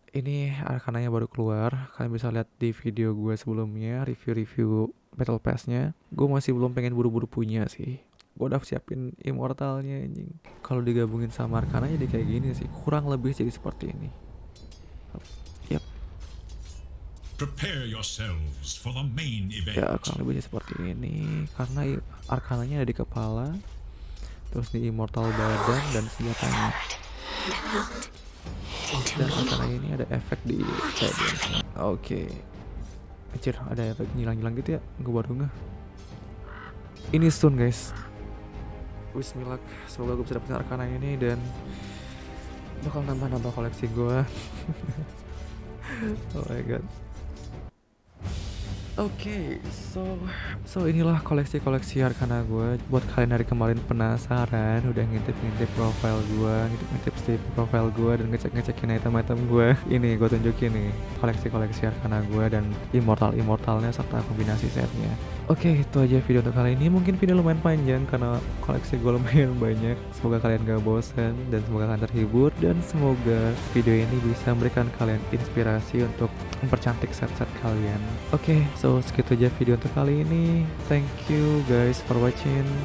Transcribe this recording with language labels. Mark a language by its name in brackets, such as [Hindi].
[Indonesian] Ini arkananya baru keluar. Kalian bisa lihat di video gue sebelumnya, review-review Battle Pass-nya. Gue masih belum pengen buru-buru punya sih. Gue udah siapin Immortal-nya anjing. Kalau digabungin sama arkana jadi kayak gini sih. Kurang lebih jadi seperti ini. Yap. [English] Prepare yourselves for the main event. [Indonesian] Ya, kurang lebihnya seperti ini. Karena arkananya ada di kepala, terus di Immortal badan dan senjatanya. Dan arkana ini ada efek di badan. Oke. Anjir, ada efek nyilang-nyilang gitu ya. Gue baru ngeh. Ini stun guys. Bismillah, semoga gue bisa dapetin arkana ini dan bakal nambah-nambah koleksi gue. [English] Oh my god. [Indonesian] Okay, so inilah koleksi-koleksi arkana gue. Buat kalian dari kemarin penasaran, udah ngintip-ngintip profile gue, ngintip-ngintip steep profile gue, dan ngecek-ngecekin item-item gue. Ini gue tunjukin nih, koleksi-koleksi arkana gue dan immortal-immortalnya serta kombinasi setnya. Okay, itu aja video untuk kali ini. Mungkin video lumayan panjang karena koleksi gue lumayan banyak. Semoga kalian gak bosen dan semoga kalian terhibur. Dan semoga video ini bisa memberikan kalian inspirasi untuk mempercantik set-set kalian. Okay. So, segitu aja video untuk kali ini. [English] Thank you guys for watching.